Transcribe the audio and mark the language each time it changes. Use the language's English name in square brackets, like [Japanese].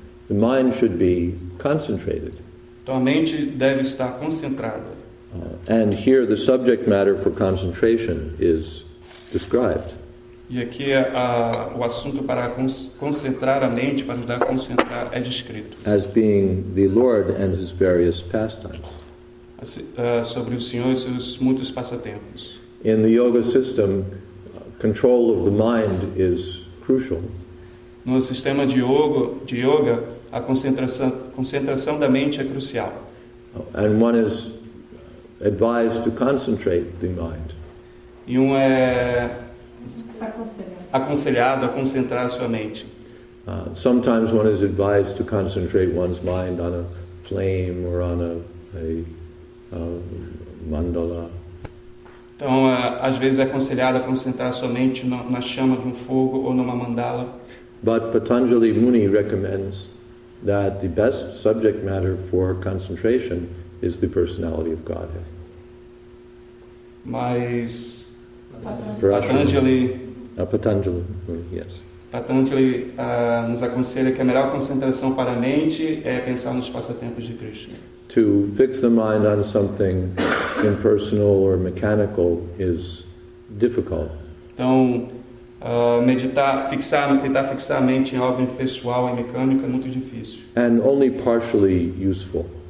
[English] The mind should be concentrated. [Portuguese] Tua mente deve estar concentrada. [English] And here the subject matter for concentration is described. [Portuguese] E aqui o assunto para concentrar a mente, para ajudar a concentrar, é descrito. [English] As being the Lord and his various pastimes. [Portuguese] Sobre o Senhor e seus muitos passatempos. [English] In the yoga system, control of the mind is crucial. [Portuguese] No sistema de yoga, a concentração da mente é crucial. [English] And one is advised to concentrate the mind. [Portuguese] E um é aconselhado a concentrar a sua mente. [English] Sometimes one is advised to concentrate one's mind on a flame or on a mandala. [Portuguese] Então, às vezes é aconselhado a concentrar a sua mente na chama de um fogo ou numa mandala. [English] But Patanjali Muni recommends that the best subject matter for concentration is the personality of Godhead. [Portuguese] Mas Patanjali. [English] Patanjali Muni, yes. [Portuguese] Patanjali nos aconselha que a melhor concentração para a mente é pensar nos passatempos de Krishna. [English] To fix the mind on something impersonal or mechanical is difficult. [Portuguese] Então, tentar fixar a mente em algo impessoal e mecânico é muito difícil. [English] And only partially useful.